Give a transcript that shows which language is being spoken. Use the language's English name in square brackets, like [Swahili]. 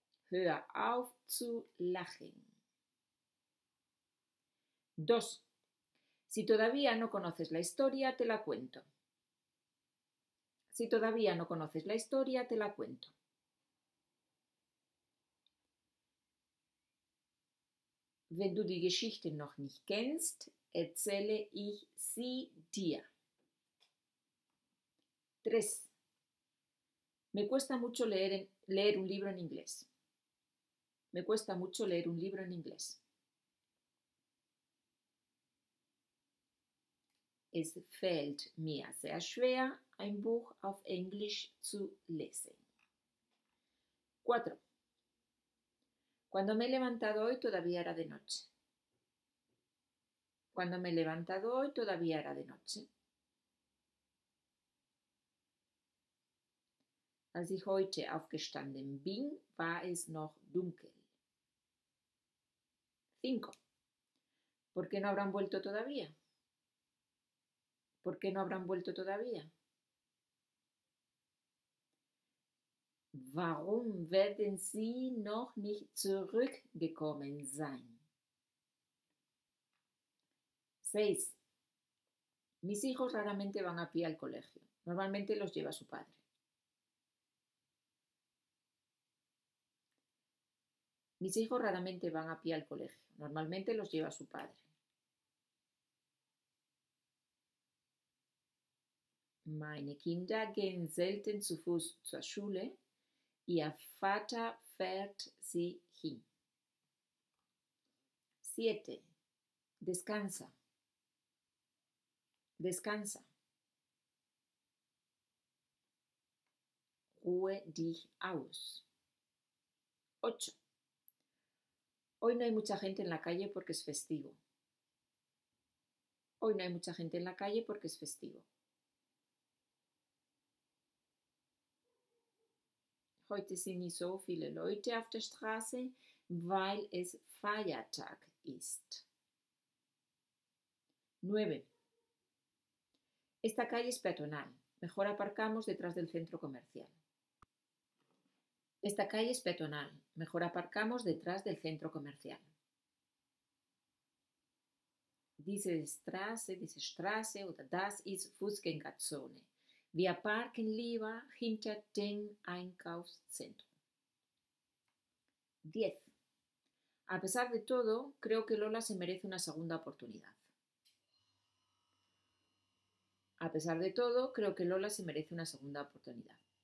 [German] Hör auf zu lachen. 2. [Spanish] Si todavía no conoces la historia, te la cuento. Si todavía no conoces la historia, te la cuento. 3. [German] Wenn du die Geschichte noch nicht kennst, erzähle ich sie dir. 3. [Spanish] Me cuesta mucho leer un libro en inglés. Me cuesta mucho leer un libro en inglés. [German] Es fällt mir sehr schwer, ein Buch auf Englisch zu lesen. 4. [Spanish] Cuando me he levantado hoy, todavía era de noche. Cuando me he levantado hoy, todavía era de noche. [German] Als ich heute aufgestanden bin, war es noch dunkel. 5. [Spanish] ¿Por qué no habrán vuelto todavía? ¿Por qué no habrán vuelto todavía? [German] Warum werden Sie noch nicht zurückgekommen sein? 6. [Spanish] Mis hijos raramente van a pie al colegio. Normalmente los lleva su padre. Mis hijos raramente van a pie al colegio. Normalmente los lleva su padre. [German] Meine Kinder gehen selten zu Fuß zur Schule. Ihr Vater fährt sie hin. [Spanish] 7. Descansa. Descansa. [German] Ruhe dich aus. 8. [Spanish] Hoy no hay mucha gente en la calle porque es festivo. Hoy no hay mucha gente en la calle porque es festivo. [German] Heute sind nicht so viele Leute auf der Straße, weil es Feiertag ist. [Spanish] 9. Esta calle es peatonal. Mejor aparcamos detrás del centro comercial. Esta calle es peatonal. Mejor aparcamos detrás del centro comercial. [German] Diese Straße oder das ist Fußgängerzone. Wir parken lieber hinter dem Einkaufszentrum. 10. [Spanish] A pesar de todo, creo que Lola se merece una segunda oportunidad. A pesar de todo, creo que Lola se merece una segunda oportunidad.